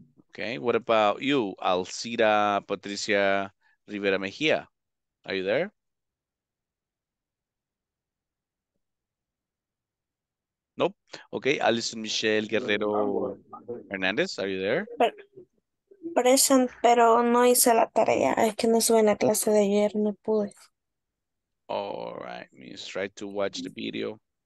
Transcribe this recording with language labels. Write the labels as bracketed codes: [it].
[en] Okay, what about you, Alcira Patricia Rivera Mejia? Are you there? Nope. Okay, Alison Michelle Guerrero Hernandez, are you there? [es] Present, pero no hice la tarea. Es que no sube en la clase de ayer, no pude. [en] All right, let's try to watch the video.